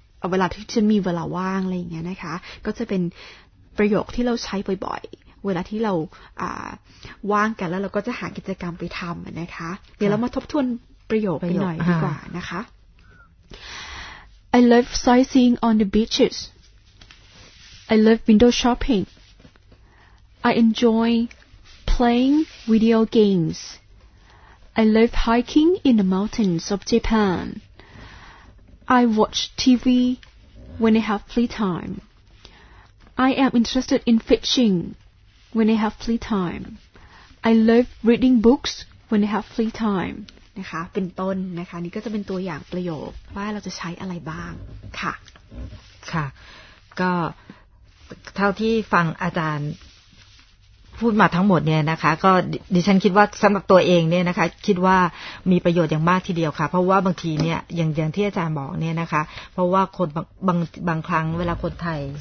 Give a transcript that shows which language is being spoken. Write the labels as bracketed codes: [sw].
[th] เวลาที่ฉันมีเวลาว่างอะไรอย่างเงี้ยนะคะก็จะเป็นประโยคที่เราใช้บ่อยเวลาที่เราว่างกันแล้วเราก็จะหากิจกรรมไปทำนะคะเดี๋ยวเรามาทบทวนประโยคไปหน่อยดีกว่านะคะ [en] I love sightseeing on the beaches. I love window shopping. I enjoy playing video games. I love hiking in the mountains of Japan. I watch TV when I have free time. I am interested in fishing when I have free time. I love reading books when I have free time. [th] นะคะเป็นต้นนะคะนี่ก็จะเป็นตัวอย่างประโยคว่าเราจะใช้อะไรบ้างค่ะ ค่ะก็เท่าที่ฟังอาจารย์พูดมาทั้งหมดเนี่ยนะคะก็ดิฉันคิดว่าสำหรับตัวเองเนี่ยนะคะคิดว่ามีประโยชน์อย่างมากทีเดียวค่ะเพราะว่าบางทีเนี่ยอย่างที่อาจารย์บอกเนี่ยนะคะเพราะว่าคนบางครั้งเวลาคนไทย